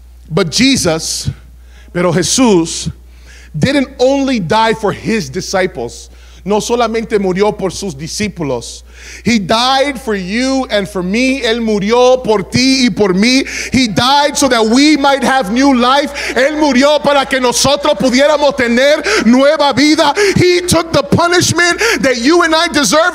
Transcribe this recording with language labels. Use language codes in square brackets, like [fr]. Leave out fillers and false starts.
[en] But Jesus, [es] pero Jesús, [en] didn't only die for his disciples. [es] No solamente murió por sus discípulos. [en] He died for you and for me. [es] Él murió por ti y por mí. [en] He died so that we might have new life. [es] Él murió para que nosotros pudiéramos tener nueva vida. [en] He took the punishment that you and I deserve.